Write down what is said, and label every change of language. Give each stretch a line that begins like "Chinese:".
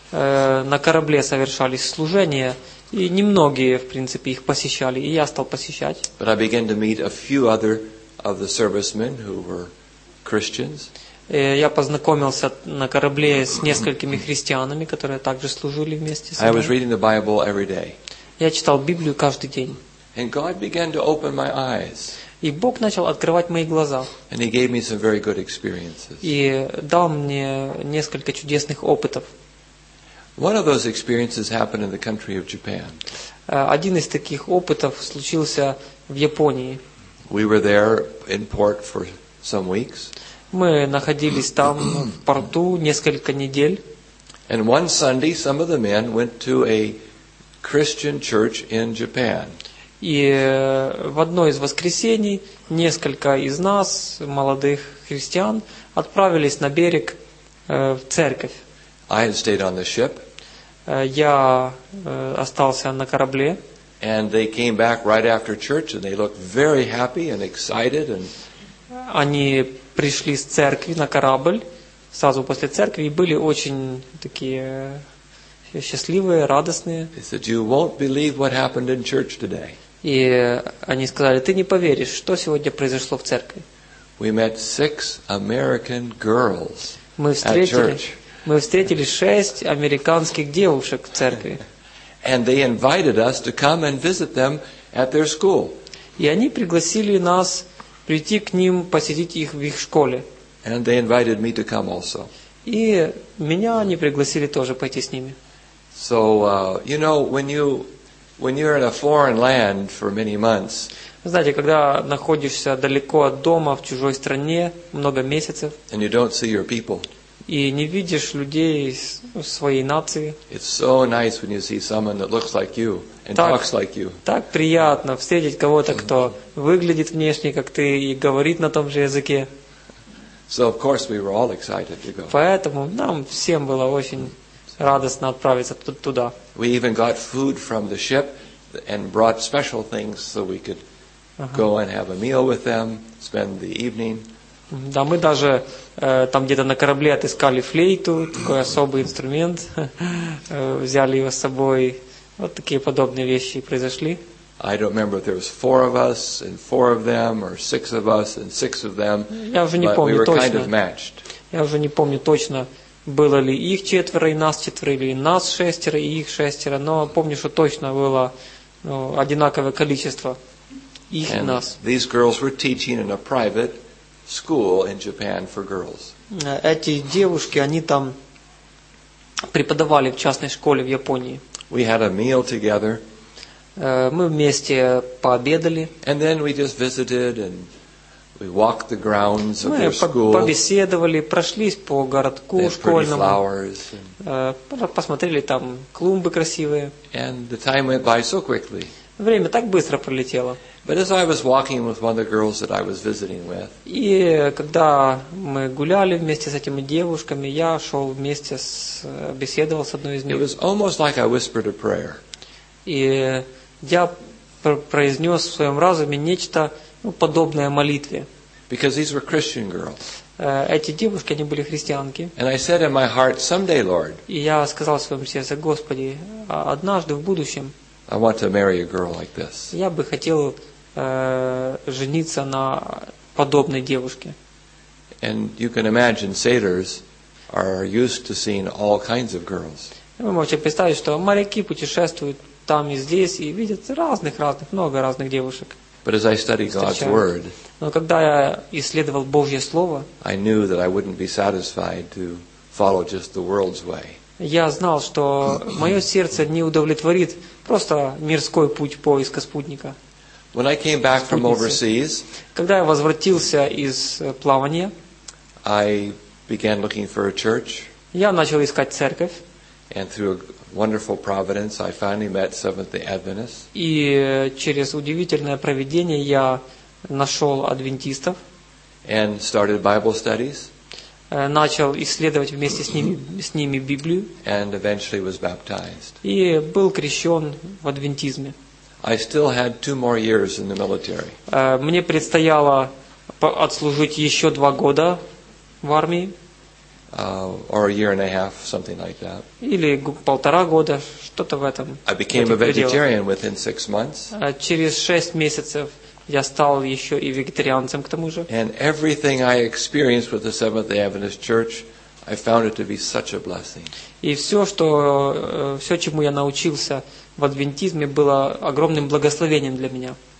Russian: На корабле совершались служения, и немногие, в принципе, их посещали, и я стал посещать.
English: But I began to meet a few other of the servicemen who were Christians.
Russian: Я познакомился на корабле с несколькими христианами, которые также служили вместе со мной.
English: I was reading the Bible every day.
Russian: Я читал Библию каждый день.
English: And God began to open my eyes.
Russian: И Бог начал открывать мои глаза.
English: And he gave me some very good experiences.
Russian: И дал мне несколько чудесных опытов.
English: One of those experiences happened in the country of Japan.
Russian: Один из таких опытов случился в Японии.
English: We were there in port for some weeks.
Russian: Мы находились там в порту несколько недель.
English: And one Sunday some of the men went to a Christian church in Japan.
Russian: И в одно из воскресений несколько из нас, молодых христиан, отправились на берег в церковь.
English: I had stayed on the ship.
Russian: Я остался на корабле.
English: And they came back right after church and they looked very happy and excited and
Russian: они пришли с церкви на корабль, сразу после церкви, и были очень такие счастливые, радостные.
English: They said, "You won't believe what happened in church today."
Russian: И они сказали, ты не поверишь, что сегодня произошло в церкви.
English: We met 6 American girls at church.
Russian: Мы встретили 6 американских девушек в церкви.
English: And they invited us to come and visit them at their school.
Russian: И они пригласили нас прийти к ним, посетить их в их школе.
English: And they invited me to come also.
Russian: И меня они пригласили тоже пойти с ними.
English: So, you know, when you're in a foreign land for many months,
Russian: знаете, когда находишься далеко от дома, в чужой стране, много месяцев,
English: and you don't see your people,
Russian: и не видишь людей своей нации.
English: It's so nice when you see someone that looks like you and talks like you.
Russian: Так приятно встретить кого-то, кто выглядит внешне как ты и говорит на том же языке.
English: So of course we were all excited to go.
Russian: Поэтому нам всем было очень радостно отправиться туда.
English: We even got food from the ship and brought special things so we could go and have a meal with them, spend the evening.
Russian: Да, мы даже там где-то на корабле отыскали флейту, такой особый инструмент, взяли его с собой. Вот такие подобные вещи произошли.
English: I don't remember if there was four of us and four of them, or six of us and six of them, but we were kind of matched.
Russian: Я уже не помню точно, было ли их четверо и нас четверо, или нас шестеро и их шестеро, но помню, что точно было одинаковое количество их
English: and
Russian: и нас.
English: These girls were teaching in a private school in Japan for girls.
Russian: Эти девушки, они там преподавали в частной школе в Японии.
English: We had a meal together.
Russian: Мы вместе пообедали.
English: And then we just visited and we walked the grounds of their school.
Russian: Мы побеседовали, прошлись по городку школьному.
English: They had flowers.
Russian: Посмотрели там клумбы красивые.
English: And the time went by so quickly.
Russian: Время так быстро пролетело.
English: But as I was walking with one of the girls that I was visiting with,
Russian: и когда мы гуляли вместе с этими девушками, я шел вместе с беседовал с одной из них.
English: It was almost like I whispered a prayer.
Russian: И я произнес в своем разуме нечто подобное молитве.
English: Because these were Christian girls.
Russian: Эти девушки, они были христианки.
English: And I said in my heart, someday, Lord.
Russian: И я сказал в своем сердце, Господи, однажды в будущем.
English: I want to marry a girl like this.
Russian: Я бы хотел жениться на подобной девушке.
English: And you can imagine sailors are used to seeing all kinds of girls.
Russian: Вы можете представить, что моряки путешествуют там и здесь и видят разных, много разных девушек.
English: But as I studied God's word,
Russian: но когда я исследовал Божье слово,
English: I knew that I wouldn't be satisfied to follow just the world's way.
Russian: Я знал, что мое сердце не удовлетворит просто мирской путь поиска спутника.
English: When I came back from overseas,
Russian: когда я возвратился из плавания,
English: I began looking for a church.
Russian: Я начал искать церковь.
English: And through a wonderful providence, I finally met Seventh-day Adventists.
Russian: И через удивительное провидение я нашел адвентистов.
English: And started Bible studies.
Russian: Начал исследовать вместе с ними Библию.
English: And eventually was baptized.
Russian: И был крещен в адвентизме.
English: I still had two more years in the military.
Russian: Мне предстояло отслужить еще 2 года в армии.
English: Or a year and a half, something like that.
Russian: Или полтора года, что-то в этом.
English: I became a vegetarian within 6 months.
Russian: Через 6 месяцев. Я стал еще и вегетарианцем к тому же.
English: And everything I experienced with the Seventh-day Adventist Church, I found it to be such a blessing.
Russian: И все, чему я научился в адвентизме, было огромным благословением для меня.